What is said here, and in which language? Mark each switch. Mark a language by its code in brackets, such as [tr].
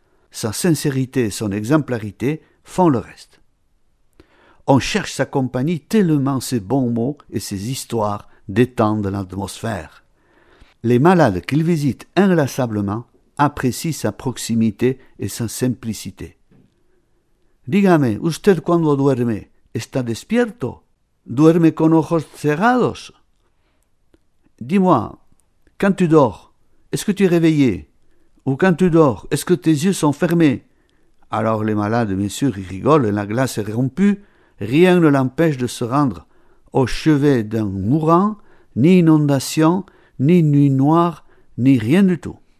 [fr] Sa sincérité et son exemplarité font le reste. On cherche sa compagnie tellement ses bons mots et ses histoires détendent l'atmosphère. Les malades qu'il visite inlassablement apprécient sa proximité et sa simplicité. [es] Dígame, usted cuando duerme, está despierto? Duerme con ojos cerrados? [fr] Dis-moi, quand tu dors, est-ce que tu es réveillé? Ou quand tu dors, est-ce que tes yeux sont fermés? Alors les malades, bien sûr, ils rigolent, la glace est rompue. Rien ne l'empêche de se rendre au chevet d'un mourant, ni inondation, ni nuit noire, ni rien du tout.